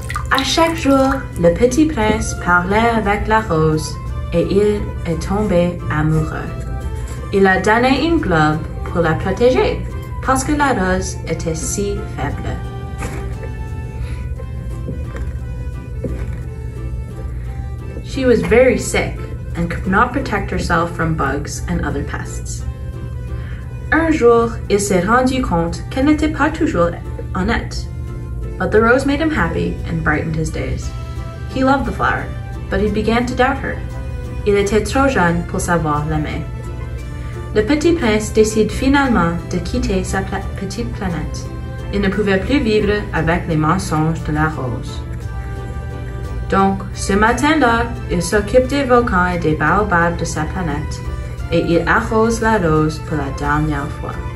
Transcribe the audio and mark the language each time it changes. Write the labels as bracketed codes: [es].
[fr] À chaque jour, le petit prince parlait avec la rose et il est tombé amoureux. Il a donné une globe pour la protéger parce que la rose était si faible. [en] She was very sick and could not protect herself from bugs and other pests. [fr] Un jour, il s'est rendu compte qu'elle n'était pas toujours honnête. [en] But the rose made him happy and brightened his days. He loved the flower, but he began to doubt her. [fr] Il était trop jeune pour savoir l'aimer. Le petit prince décide finalement de quitter sa petite planète. Il ne pouvait plus vivre avec les mensonges de la rose. Donc, ce matin-là, il s'occupe des volcans et des baobabs de sa planète et il arrose la rose pour la dernière fois.